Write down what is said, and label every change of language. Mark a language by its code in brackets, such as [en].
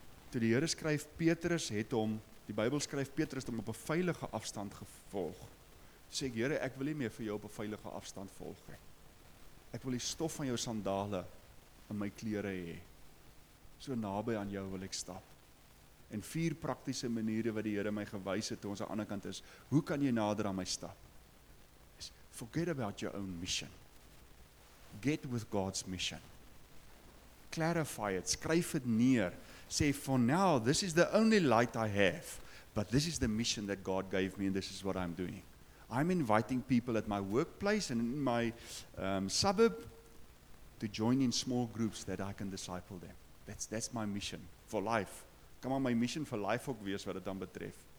[af] Toe die Here skryf Petrus het hom, die Bybel skryf Petrus hom op 'n veilige afstand gevolg. Toe sê ek, Here, ek wil nie meer vir jou op 'n veilige afstand volg nie. Ek wil die stof van jou sandale in my klere hê. So naby aan jou wil ek stap. En vier praktiese maniere wat die Here my gewys het toe ons aan die ander kant is, hoe kan jy nader aan my stap? [en] Forget about your own mission. Get with God's mission. Clarify it, [af] skryf het neer. [en] Say, for now, this is the only light I have, but this is the mission that God gave me, and this is what I'm doing. I'm inviting people at my workplace and in my suburb to join in small groups that I can disciple them. That's my mission for life. [af] Kan maar [en] my mission for life [af] ook wees wat het dan betref.